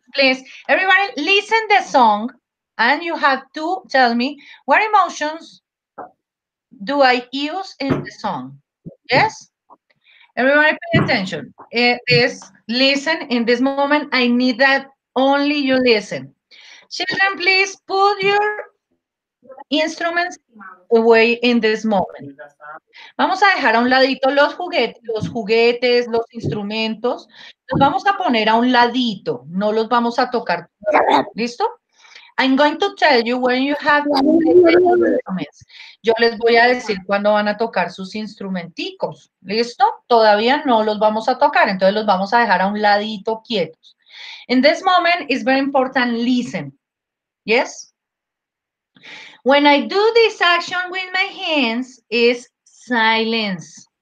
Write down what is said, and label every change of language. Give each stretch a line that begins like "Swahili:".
English: Please, everybody, listen the song and you have to tell me what emotions do I use in the song. Yes? Everybody pay attention. Listen in this moment. I need that only you listen. Children, please put your instruments away in this moment.
Spanish: Vamos a dejar a un ladito los juguetes, los instrumentos. Los vamos a poner a un ladito. No los vamos a tocar. ¿Listo?
English: I'm going to tell you when you have instruments.
Spanish: Yo les voy a decir cuándo van a tocar sus instrumenticos. ¿Listo? Todavía no los vamos a tocar. Entonces los vamos a dejar a un ladito quietos.
English: In this moment, it's very important, listen. Yes? When I do this action with my hands, is silence.